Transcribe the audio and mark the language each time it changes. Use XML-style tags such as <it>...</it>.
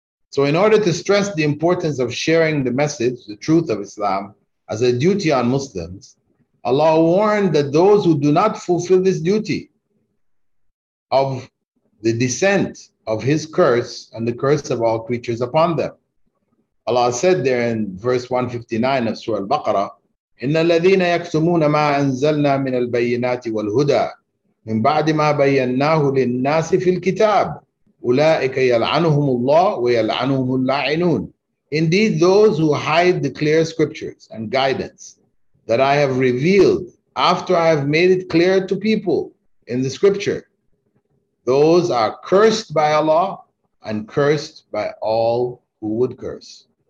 <en>So in order to stress the importance of sharing the message, the truth of Islam, as a duty on Muslims, Allah warned that those who do not fulfill this duty of the descent of his curse and the curse of all creatures upon them. Allah said there in verse 159 of Surah Al-Baqarah,</en> <ar>إِنَّ الَّذِينَ يَكْتُمُونَ مَا أَنزَلْنَا مِنَ الْبَيِّنَاتِ وَالْهُدَىٰ مِنْ بَعْدِ مَا بَيَّنَّاهُ لِلنَّاسِ فِي الْكِتَابِ أُولَٰئِكَ يَلْعَنُهُمُ اللَّهُ وَيَلْعَنُهُمُ اللَّاعِنُونَ.</ar> <en>Indeed, those who hide the clear scriptures and guidance that I have revealed after I have made it clear to people in the scripture, those are cursed by Allah and cursed by all who would curse.</en>